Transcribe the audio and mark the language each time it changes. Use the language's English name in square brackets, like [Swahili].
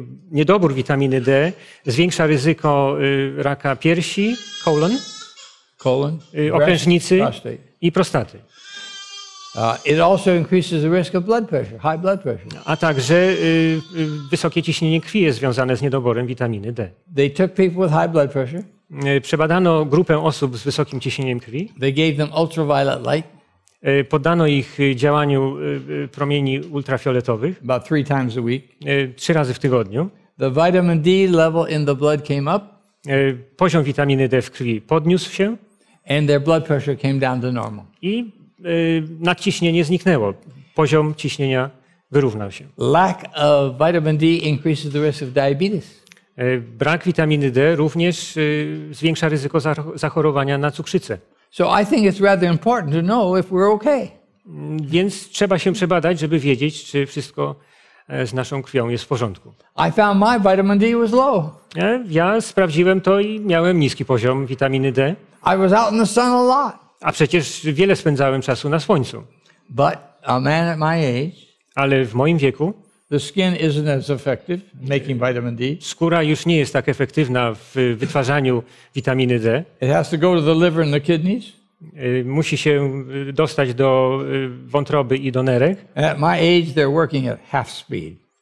[Polish] Niedobór witaminy D zwiększa ryzyko raka piersi, colon, okrężnicy i prostaty. [English] It also increases the risk of blood pressure, high blood pressure. [Polish] A także wysokie ciśnienie krwi jest związane z niedoborem witaminy D. [English] They took people with high blood pressure. [Polish] Przebadano grupę osób z wysokim ciśnieniem krwi. [English] They gave them ultraviolet light. [Polish] Poddano ich działaniu promieni ultrafioletowych. [English] About three times a week. [Polish] Trzy razy w tygodniu. [English] The vitamin D level in the blood came up. [Polish] Poziom witaminy D w krwi podniósł się. [English] And their blood pressure came down to normal. [Polish] I nadciśnienie zniknęło. Poziom ciśnienia wyrównał się. [English] Lack of vitamin D increases the risk of diabetes. [Polish] Brak witaminy D również zwiększa ryzyko zachorowania na cukrzycę. [English] So I think it's rather important to know if we're okay. [Polish] Więc trzeba się przebadać, żeby wiedzieć, czy wszystko z naszą krwią jest w porządku. [English] I found my vitamin D was low. [Polish] Ja sprawdziłem to i miałem niski poziom witaminy D. [English] I was out in the sun a lot. [Polish] A przecież wiele spędzałem czasu na słońcu. [English] But a man at my age, [Polish] ale w moim wieku, [English] the skin isn't as effective making vitamin D. [Polish] Skóra już nie jest tak efektywna w wytwarzaniu witaminy D. [English] It has to go to the liver and the kidneys. [Polish] Musi się dostać do wątroby i do nerek. [English] At my age, they're working at half speed.